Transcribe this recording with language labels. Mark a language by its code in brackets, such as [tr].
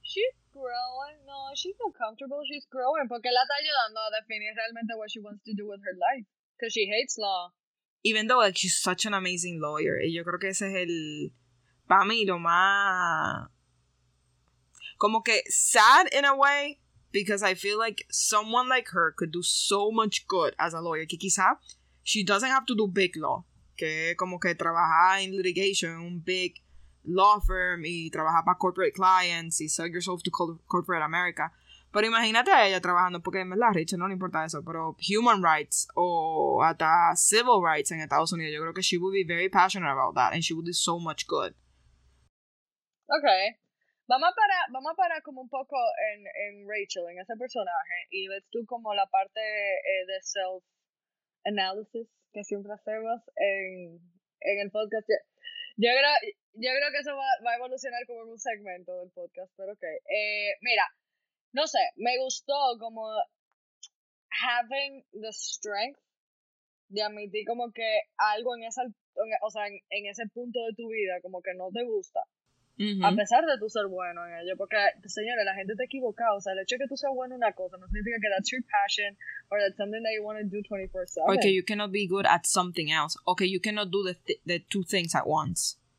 [en] She's not comfortable, she's growing, [es] porque la está ayudando a definir realmente [en] what she wants to do with her life, because she hates law. Even though, like, she's such an amazing lawyer. [es] Y yo creo que ese es el... Para mí, lo más... Como que [en] sad in a way. Because I feel like someone like her could do so much good as a lawyer. [es] Que quizá [en] she doesn't have to do big law. [es] Que como que trabajar [en] in litigation [es] en un [en] big law firm. [es] Y trabajar para [en] corporate clients. Y sell yourself to corporate America. [es] Pero imagínate a ella trabajando, porque en verdad, Rachel, no le importa eso, pero human rights o hasta civil rights en Estados Unidos, yo creo que [en] she would be very passionate about that and she would do so much good. Okay. [es] Vamos a parar como un poco en Rachel, en ese personaje, y ves tú como la parte de self-analysis que siempre hacemos en el podcast. Yo creo que eso va a evolucionar como en un segmento del podcast, pero ok. Mira, no sé, me gustó como [en] having the strength [es] de admitir como que algo en esa, o sea, en ese punto de tu vida como que no te gusta. Uh-huh. A pesar de tú ser bueno en ello, porque, señores, la gente te equivoca. O sea, el hecho de que tú seas bueno en una cosa no significa que [en] that's your passion or that's something that you want to do 24/7. Okay, you cannot be good at something else. Okay, you cannot do the two things at once.